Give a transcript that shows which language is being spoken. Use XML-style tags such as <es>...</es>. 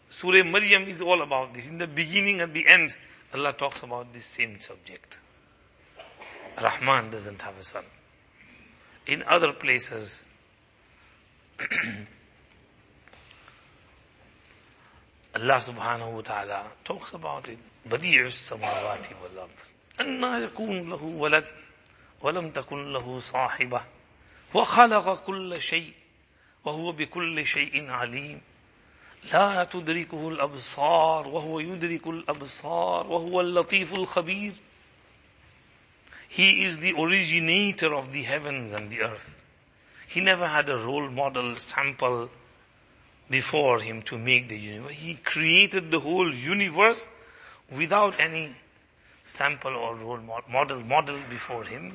<en>Surah Maryam is all about this. In the beginning and the end, Allah talks about this same subject. Rahman doesn't have a son. In other places, Allah subhanahu wa ta'ala talks about it.</en> <ar>بَدِيعُ السَّمَوَاتِ وَالْأَرْضِ أَنَّا يَكُونُ لَهُ وَلَدْ وَلَمْ تَكُنْ لَهُ صَاحِبَةِ وَخَلَقَ كُلَّ شَيْءٍ وَهُوَ بِكُلِّ شَيْءٍ عَلِيمٍ لا تدركه الأبصار وهو يدرك الأبصار وهو اللطيف الخبير.</ar> <en>He is the originator of the heavens and the earth. He never had a role model sample before him to make the universe. He created the whole universe without any sample or role model before him.</en>